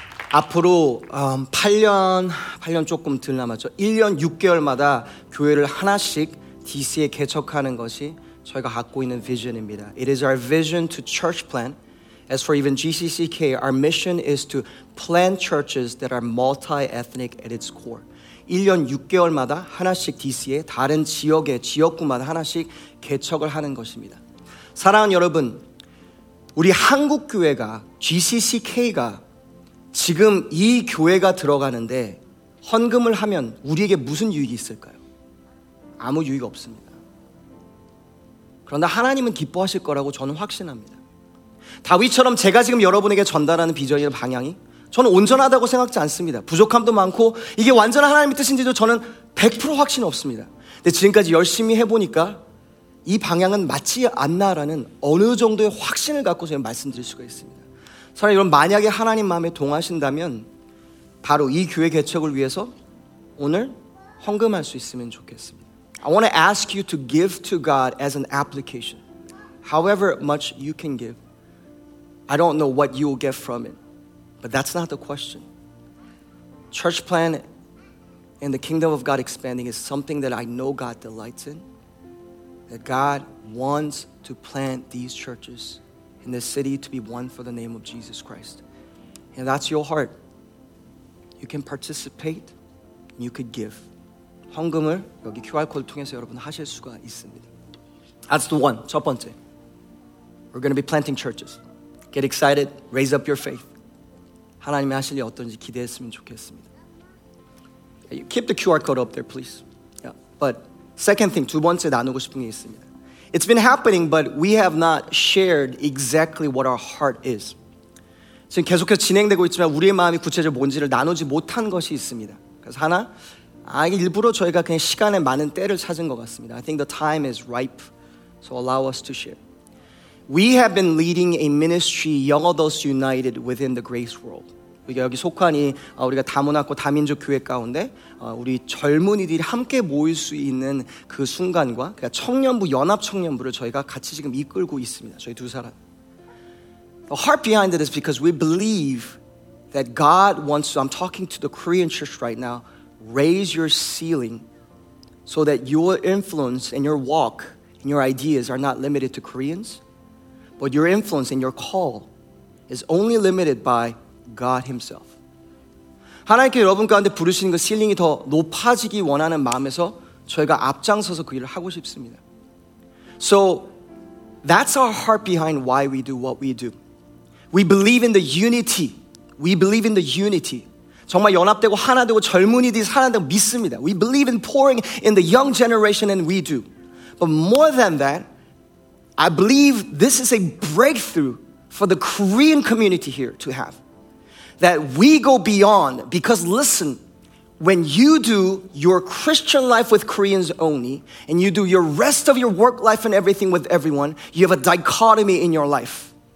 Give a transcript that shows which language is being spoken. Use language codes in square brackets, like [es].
[ko] 앞으로 8년 조금 덜 남았죠. 1년 6개월마다 교회를 하나씩 DC에 개척하는 것이 저희가 갖고 있는 비전입니다. [en] It is our vision to church plant. As for even GCCK, our mission is to plant churches that are multi-ethnic at its core. [ko] 1년 6개월마다 하나씩 DC에 다른 지역에 지역구마다 하나씩 개척을 하는 것입니다. 사랑하는 여러분, 우리 한국 교회가 GCCK가 지금 이 교회가 들어가는데 헌금을 하면 우리에게 무슨 유익이 있을까요? 아무 유익 없습니다. 그러나 하나님은 기뻐하실 거라고 저는 확신합니다. 다윗처럼 제가 지금 여러분에게 전달하는 비전이나 방향이 저는 온전하다고 생각지 않습니다. 부족함도 많고 이게 완전한 하나님의 뜻인지도 저는 100% 확신 없습니다. 근데 지금까지 열심히 해보니까 이 방향은 맞지 않나라는 어느 정도의 확신을 갖고 제가 말씀드릴 수가 있습니다. 사랑하는 여러분, 만약에 하나님 마음에 동하신다면 바로 이 교회 개척을 위해서 오늘 헌금할 수 있으면 좋겠습니다. [en] I want to ask you to give to God as an application. However much you can give, I don't know what you will get from it. But that's not the question. Church plan and the kingdom of God expanding is something that I know God delights in. That God wants to plant these churches. In this city to be one for the name of Jesus Christ. And that's your heart. You can participate. You could give. [ko] 헌금을 여기 QR코드 통해서 여러분 하실 수가 있습니다. [en] That's the one. [ko] 첫 번째. [en] We're going to be planting churches. Get excited. Raise up your faith. [ko] 하나님이 하실 일 어떤지 기대했으면 좋겠습니다. [en] Keep the QR code up there, please. Yeah. But Second thing, [ko] 두 번째 나누고 싶은 게 있습니다. [en] It's been happening, but we have not shared exactly what our heart is. [ko] 지금 계속해서 진행되고 있지만 우리의 마음이 구체적으로 뭔지를 나누지 못한 것이 있습니다. 그래서 하나, 일부러 저희가 그냥 시간에 많은 때를 찾은 것 같습니다. [en] I think the time is ripe, so allow us to share. We have been leading a ministry, Young Adults United, within the Grace World. [ko] 우리가 여기 속한 이 우리가 다문화고 다민족 교회 가운데 우리 젊은이들이 함께 모일 수 있는 그 순간과 청년부, 연합 청년부를 저희가 같이 지금 이끌고 있습니다. 저희 두 사람. [en] The heart behind it is because we believe that God wants to, I'm talking to the Korean church right now, raise your ceiling so that your influence and your walk and your ideas are not limited to Koreans, but your influence and your call is only limited by God himself. [ko] 하나님께 여러분 가운데 부르시는 그 실링이 더 높아지기 원하는 마음에서 저희가 앞장서서 그 일을 하고 싶습니다. [en] So that's our heart behind why we do what we do. We believe in the unity. We believe in the unity. [ko] 정말 연합되고 하나되고 젊은이들이 살아난다고 믿습니다. [en] We believe in pouring in the young generation and we do. But more than that, I believe this is a breakthrough for the Korean community here to have. That we go beyond, because listen, when you do your Christian life with Koreans only, and you do your rest of your work life and everything with everyone, you have a dichotomy in your life.